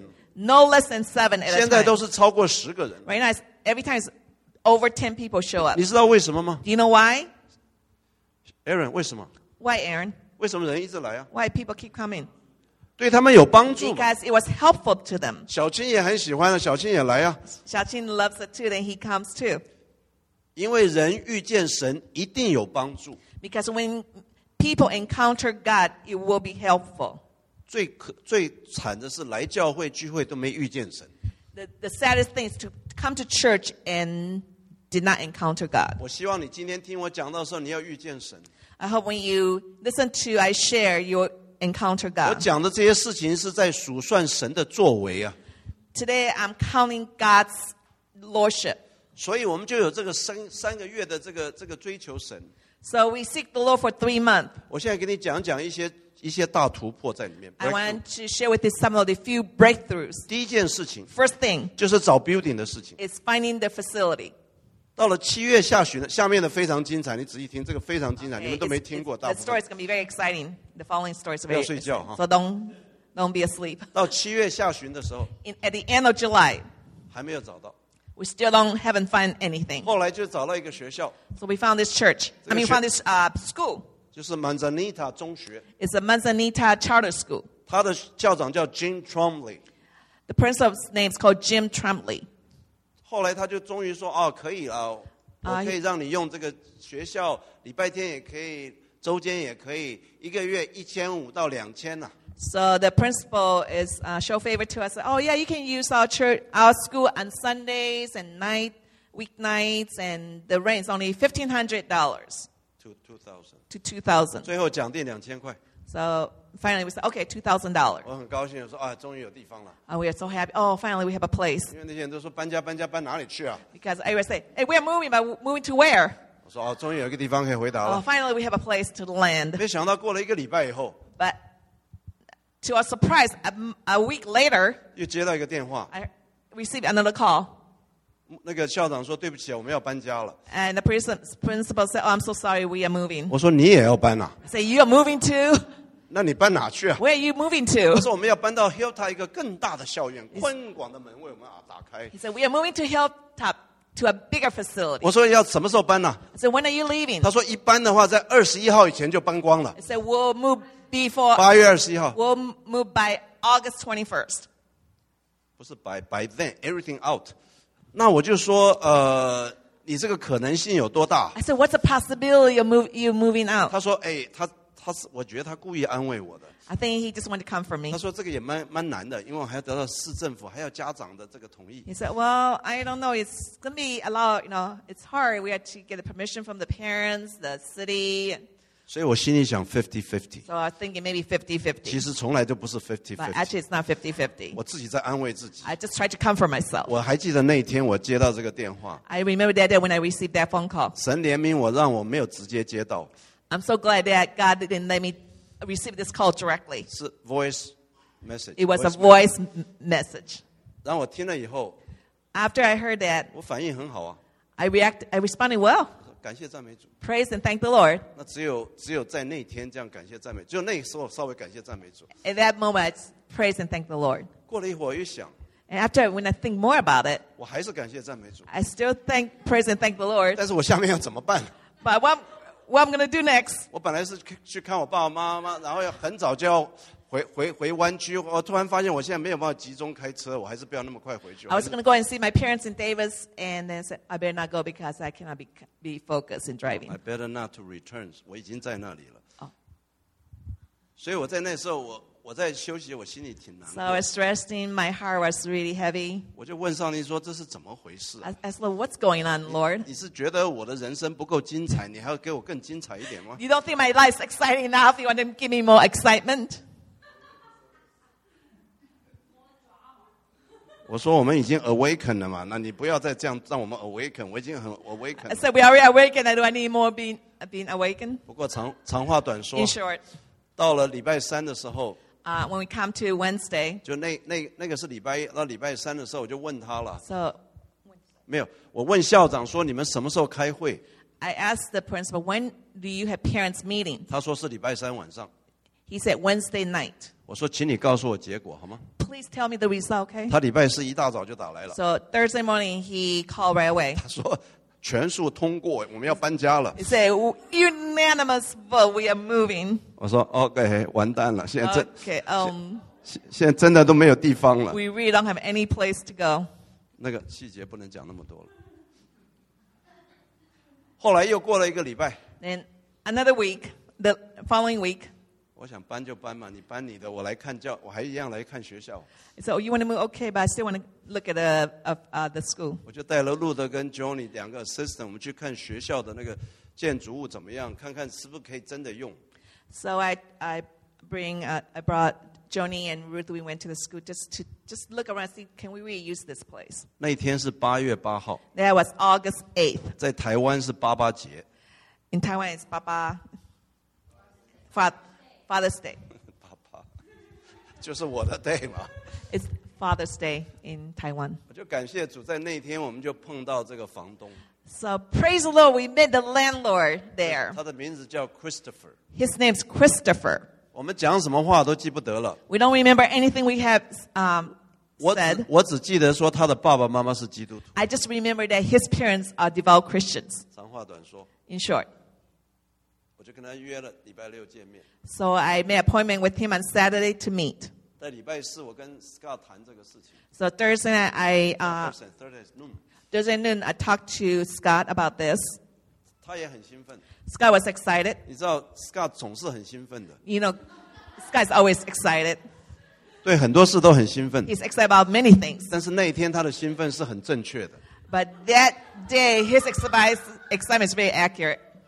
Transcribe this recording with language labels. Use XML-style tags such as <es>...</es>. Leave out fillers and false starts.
<en>prayer meetings. No less than 7 at a time.</en> <zh>现在都是超过10个人,</zh> <en>right now, every time it's over 10 people show up.</en> <zh>你知道为什么吗?</zh> <en>Do you know why?</en> <zh>Aaron, 为什么?</zh> <en>Why Aaron?</en> <zh>为什么人一直来啊?</zh> <en>Why people keep coming?</en> <zh>对他们有帮助吗?</zh> <en>Because it was helpful to them.</en> <zh>小青也很喜欢啊, 小青也来啊。</zh> <en>小青 loves it too, then he comes too.</en> <zh>因为人遇见神一定有帮助。</zh> <en>Because when people encounter God, it will be helpful.</en> <zh>最惨的是来教会聚会都没遇见神。</zh> <en>The saddest thing is to come to church and did not encounter God.</en> <zh>我希望你今天听我讲到的时候你要遇见神。</zh> <en>I hope when you listen to I share, you'll encounter God.</en> <zh>我讲的这些事情是在数算神的作为啊。</zh> <en>Today I'm counting God's lordship.</en> <zh>所以我们就有这个 三个月的这个追求神。</zh> <en>So we seek the Lord for 3 months.</en> <zh>我现在给你讲讲一些大突破在里面。</zh> <en>I want to share with you some of the few breakthroughs.</en> <zh>第一件事情</zh> <en>，First thing，</en> <zh>就是找 building 的事情。</zh> <en>It's finding the facility.</en> <zh>到了七月下旬，下面的非常精彩，你仔细听，这个非常精彩，</zh> <en>okay,</en> <zh>你们都没听过。</zh> <en>The story is going to be very exciting. The following story is very.</en> <zh>不要睡觉哈。</zh> <en>So don't be asleep.</en> <zh>到七月下旬的时候</zh> <en>at the end of July，</en> <zh>还没有找到。</zh> <en>We still don't haven't find anything.</en> <zh>后来就找到一个学校。</zh> <en>So we found this church. I mean, found this school.</en> <zh>就是 Manzanita 中学。</zh> <en>It's a Manzanita Charter School.</en> <zh>他的校长叫 Jim Trumbly.</zh> <en>The principal's name is called Jim Trumbly.</en> <zh>后来他就终于说，哦，可以了，我可以让你用这个学校，礼拜天也可以，周间也可以，一个月1500到2000啊。</zh> <en>So the principal is show favor to us. Oh yeah, you can use our church, our school on Sundays and night, weeknights, and the rent is only $1,500. To 2,000.</en> <zh>最后讲定2000块。</zh> <en>So finally we said, okay, $2,000.</en> <zh>我很高兴，我说啊，终于有地方了。</zh> <en>We are so happy. Oh, finally we have a place.</en> <zh>因为那些人都说搬家搬家搬哪里去啊</zh> <en>？Because everyone say, hey, we are moving, but moving to where?</en> <zh>我说哦，终于有一个地方可以回答了。</zh> <en>Oh, finally we have a place to land.</en> <zh>没想到过了一个礼拜以后</zh> <en>，But to our surprise, a week later,</en> <zh>又接到一个电话</zh> <en>I received another call.</en> <zh>那个校长说对不起，我们要搬家了。</zh> <en>And the principal said, "Oh, I'm so sorry, we are moving."</en> <zh>我说你也要搬啊</zh> <en>I said, "You are moving too."</en> <zh>那你搬哪去啊</zh> <en>Where are you moving to?</en> <zh>他说我们要搬到 Hilltop 一个更大的校园，宽广的门为我们打开。</zh> <en>He said, "We are moving to Hilltop to a bigger facility."</en> <zh>我说要什么时候搬啊</zh> <en>I said, "When are you leaving?"</en> <zh>他说一搬的话，在21号以前就搬光了。</zh> <en>I said, "We'll move." Before</en> <zh>8月21号</zh> <en>we'll move by August 21st.</en> <zh>不是</zh> <en>by then everything out.</en> <zh>那我就说，你这个可能性有多大</zh> <en>？I said, what's the possibility of you moving out?</en> <zh>他说，哎，他是，我觉得他故意安慰我的。</zh> <en>I think he just wanted to comfort me.</en> <zh>他说这个也蛮难的，因为我还要得到市政府还要家长的这个同意。</zh> <en>He said, well, I don't know. It's gonna be a lot. You know, it's hard. We have to get the permission from the parents, the city.</en> <zh>所以我心里想 50-50</zh> <en>So I think it may be 50-50</en> <zh>其实从来都不是 50-50</zh> <en>But actually it's not 50-50</en> <zh>我自己在安慰自己</zh> <en>I just tried to comfort myself</en> <zh>我还记得那一天我接到这个电话</zh> <en>I remember that day when I received that phone call</en> <zh>神怜悯我让我没有直接接到</zh> <en>I'm so glad that God didn't let me receive this call directly</en> <zh>是 voice message</zh> <en>It was a voice message</en> <zh>让我听了以后</zh> <en>After I heard that</en> <zh>我反应很好啊</zh> <en>I responded well</en> <zh>感谢赞美主</zh> <en>Praise and thank the Lord</en> <zh>那只有在那天这样感谢赞美只有那时候稍微感谢赞美主</zh> <en>At that moment praise and thank the Lord</en> <zh>过了一会儿我又想</zh> <en>And after when I think more about it</en> <zh>我还是感谢赞美主</zh> <en>I still thank praise and thank the Lord</en> <zh>但是我下面要怎么办</zh> <en>But what I'm going to do next</en> <zh>我本来是去看我爸爸妈妈然后很早就要回湾区我突然发现我现在没有办法集中开车我还是不要那么快回去</zh> <en>I was going to go and see my parents in Davis and then said I better not go because I cannot be focused in driving I better not to return</en> <zh>我已经在那里了、</zh> <en>oh.</en> <zh>所以我在那时候 我在休息我心里挺难的</zh> <en>So I was resting my heart was really heavy</en> <zh>我就问上帝说这是怎么回事</zh> <en>I asked Lord what's going on Lord</en> <zh>你是觉得我的人生不够精彩你还要给我更精彩一点吗</zh> <en>You don't think my life's exciting enough you want to give me more excitement</en> <zh>我说我们已经 awaken 了嘛，那你不要再这样让我们 awaken， 我已经很 awaken。</zh> <en>I said we already awakened. Do I need more being awakened?</en> <zh>不过长话短说。</zh> <en>In short，</en> <zh>到了礼拜三的时候。</zh> <en>When we come to Wednesday，</en> <zh>就那个是礼拜一到礼拜三的时候，我就问他了。</zh> <en>So，</en> <zh>没有，我问校长说你们什么时候开会</zh> <en>？I asked the principal when do you have parents meeting？</en> <zh>他说是礼拜三晚上。</zh> <en>He said Wednesday night。</en> <zh>我说，请你告诉我结果好吗？</zh> <en>Please tell me the result, okay?</en> <zh>他礼拜四一大早就打来了。</zh> <en>So Thursday morning he called right away.</en> <zh>他说全数通过，我们要搬家了。</zh> <en>He said unanimous vote, we are moving.</en> <zh>我说 okay, 完蛋了，现在真</zh> <en>okay,</en> <zh>现在真的都没有地方了。</zh> <en>We really don't have any place to go.</en> <zh>那个细节不能讲那么多了。后来又过了一个礼拜。</zh> <en>Then another week, the following week.</en> <zh>我想搬就搬嘛，你搬你的，我来看教，我还一样来看学校。</zh> <en>So you want to move? Okay, but I still want to look at the school.</en> <zh>我就带了路德跟 Johnny 两个 assistant， 我们去看学校的那个建筑物怎么样，看看是不是可以真的用。</zh> <en>So I brought Joni and Ruth, we went to the school just to look around and see, can we reuse this place?</en> <zh>那一天是8月8号,</zh> <en>that was August 8th.</en> <zh>在台湾是爸爸节,</zh> <en>in Taiwan, it's Baba Father's Day.</en> <zh>Papa, 就是我的day嘛。</zh> <en>It's Father's Day in Taiwan.</en> <zh>我就感谢主, 在那一天我们就碰到这个房东。</zh> <en>So praise the Lord, we met the landlord there.</en> <zh>他的名字叫Christopher。</zh> <en>His name's Christopher.</en> <zh>我们讲什么话都记不得了。</zh> <en>We don't remember anything we have said.</en> <zh>我只记得说他的爸爸妈妈是基督徒。</zh> <en>I just remember that his parents are devout Christians.</en> <zh>长话短说。</zh> <en>In short.</en> <zh>我就跟他约了礼拜六见面。</zh> <en>So I made appointment with him on Saturday to meet.</en> <zh>在礼拜四我跟Scott谈这个事情。</zh> <en>So Thursday night, Thursday noon, I talked to Scott about this.</en> <zh>他也很兴奋。</zh> <en>Scott was excited.</en> <zh>你知道Scott总是很兴奋的。</zh> <en>You know, Scott's always excited.</en> <zh>对很多事都很兴奋。</zh> <en>He's excited about many things.</en> <zh>但是那一天他的兴奋是很正确的。</zh> <en>But that day, his excitement is very accurate.</en>